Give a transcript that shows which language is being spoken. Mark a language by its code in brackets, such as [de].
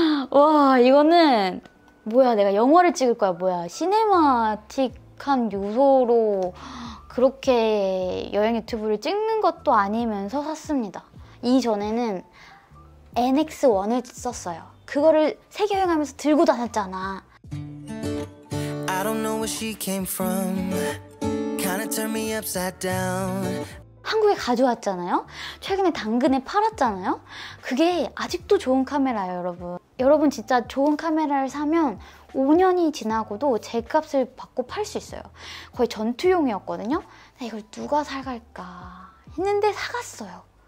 [ko] 와, 이거는 뭐야, 내가 영화를 찍을 거야, 뭐야. 시네마틱한 요소로 그렇게 여행 유튜브를 찍는 것도 아니면서 샀습니다. 이전에는 NX1을 썼어요. 그거를 세계 여행하면서 들고 다녔잖아. [en] I don't know where she came from. Kinda turned me upside down. [ko] 한국에 가져왔잖아요. 최근에 당근에 팔았잖아요. 그게 아직도 좋은 카메라예요, 여러분. 여러분 진짜 좋은 카메라를 사면 5년이 지나고도 제값을 받고 팔 수 있어요. 거의 전투용이었거든요. 이걸 누가 사갈까 했는데 사갔어요.